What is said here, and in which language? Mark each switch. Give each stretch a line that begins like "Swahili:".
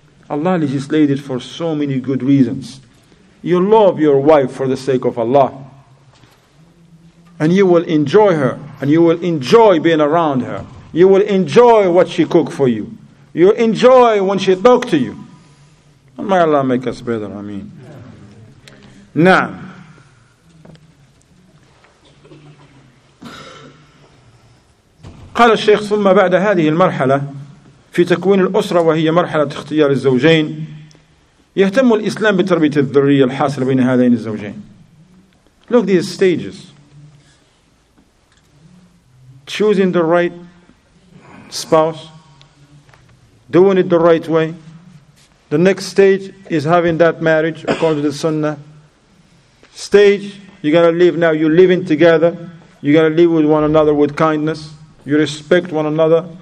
English: Allah legislated for so many good reasons. You love your wife for the sake of Allah. And you will enjoy her. And you will enjoy being around her. You will enjoy what she cooks for you. You'll enjoy when she talks to you. And may Allah make us better. I mean.
Arabic: Now, قال الشيخ ثم بعد هذه المرحلة في تكوين الأسرة وهي مرحلة اختيار الزوجين يهتم الإسلام بتربية الذرية الحاصلة بين هذين الزوجين.
English: Look these stages. Choosing the right spouse, doing it the right way. The next stage is having that marriage according to the Sunnah. Stage, you gotta live now, you're living together, you gotta live with one another with kindness, you respect one another,